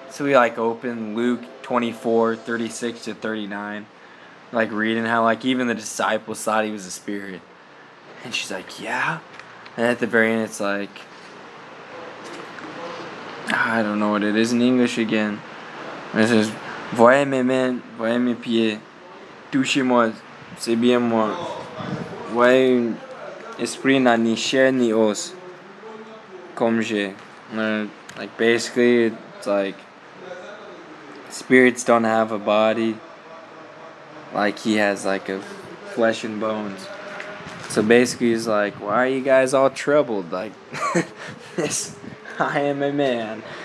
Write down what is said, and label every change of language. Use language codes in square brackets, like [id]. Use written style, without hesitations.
[en] So we like open Luke 24:36-39. Like, reading how, like, even the disciples thought he was a spirit. And she's like, yeah. And at the very end, it's like, I don't know what it is in English again. It says, [fr] voyez mes mains, voyez mes pieds, touchez-moi, c'est bien moi. Voyez un esprit n'a ni chair ni os, comme j'ai. [en] Like, basically, it's like, spirits don't have a body. Like, he has, like, a flesh and bones. So, basically, he's like, why are you guys all troubled? Like, this, I am a man.